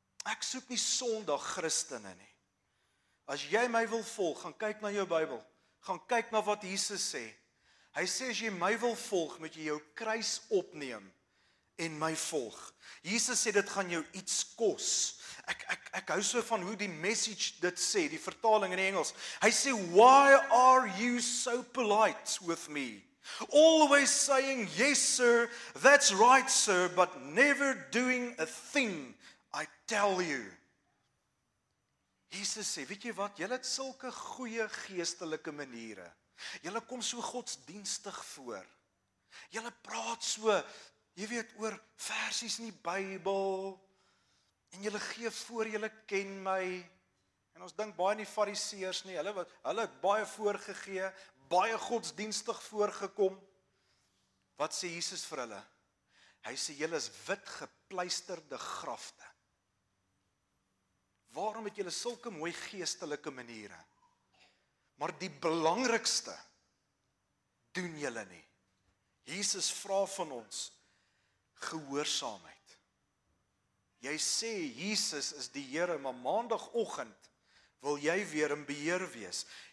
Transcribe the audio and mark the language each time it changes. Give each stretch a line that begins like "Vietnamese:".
Afrikaans: Ek soek nie Sondag Christene nie. As jy my wil volg, gaan kyk na jou Bybel. Gaan kyk na wat Jesus sê. Hy sê, as jy my wil volg, moet jy jou kruis opneem en my volg. Jesus sê, dit gaan jou iets kos. Ek hou so van hoe die Message dit sê, die vertaling in Engels.
English: Hy sê, why are you so polite with me? Always saying, yes sir, that's right sir, but never doing a thing, I tell you.
Afrikaans: Jesus sê, weet jy wat, julle het sulke goeie geestelike maniere. Julle kom so godsdienstig voor. Julle praat so, jy weet, oor versies in die Bybel. En julle gee voor, julle ken my. En ons dink baie in die Fariseërs nie. Hulle het baie voorgegee, baie godsdienstig voorgekom. Wat sê Jesus vir hulle? Hy sê, julle is wit gepleisterde grafte. Waarom het julle sulke mooi geestelike maniere? Maar die belangrikste doen julle nie. Jesus vra van ons gehoorsaamheid. Jy sê Jesus is die Here, maar maandagoggend wil jy weer in beheer wees.